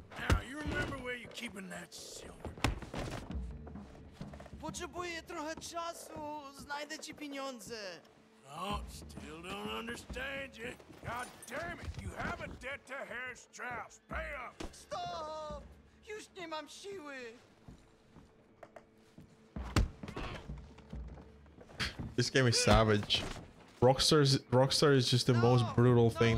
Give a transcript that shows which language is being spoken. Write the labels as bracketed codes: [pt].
[en] Now, you remember where you're keeping that silver? [pl] Potrzebuję trochę czasu. Znajdę ci pieniądze. [en] Oh, still don't understand you. God damn it, you have a debt to Herr Strauss. Pay up! [pl] Stop! Już nie mam siły. [en] This game is savage. Rockstar is just the most brutal thing.